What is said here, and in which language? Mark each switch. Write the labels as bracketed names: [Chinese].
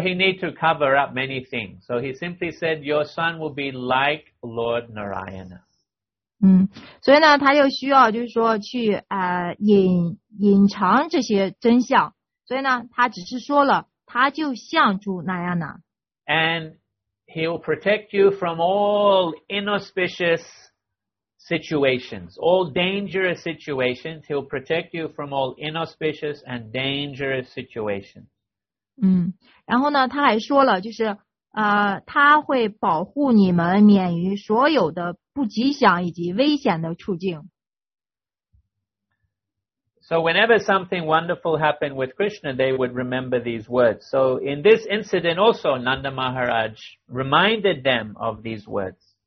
[English] he need to cover up many things. So he simply said, "Your son will be like Lord Narayana." [Chinese] 所以呢，他又需要就是说去隐藏这些真相。所以呢，他只是说了，他就像主那样呢。 [English] And he'll protect you from all inauspicious situations, all dangerous situations. He'll protect you from all inauspicious and dangerous situations. [Chinese] 然后呢，他还说了，就是他会保护你们免于所有的不吉祥以及危险的处境。 [English] So whenever something wonderful happened with Krishna, they would remember these words. So in this incident also, Nanda Maharaj reminded them of these words.